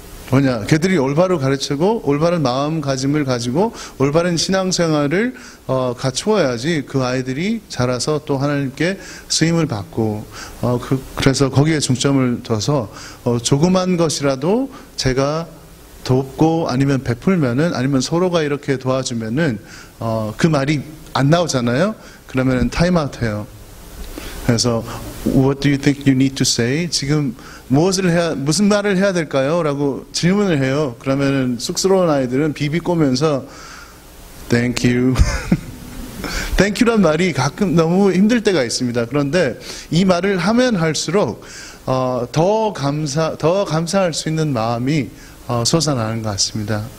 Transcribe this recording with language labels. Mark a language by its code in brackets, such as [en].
[ko] 뭐냐, 걔들이 올바로 가르치고 올바른 마음가짐을 가지고 올바른 신앙생활을 갖추어야지 그 아이들이 자라서 또 하나님께 쓰임을 받고, 그래서 거기에 중점을 둬서 조그만 것이라도 제가 돕고 아니면 베풀면은, 아니면 서로가 이렇게 도와주면은 그 말이 안 나오잖아요. 그러면은 타임아웃해요. [en] 그래서 What do you think you need to say? [ko] 지금 무슨 말을 해야 될까요? 라고 질문을 해요. 그러면은 쑥스러운 아이들은 비비꼬면서 Thank you. Thank you란 말이 가끔 너무 힘들 때가 있습니다. 그런데 이 말을 하면 할수록 더 감사할 수 있는 마음이 솟아나는 것 같습니다.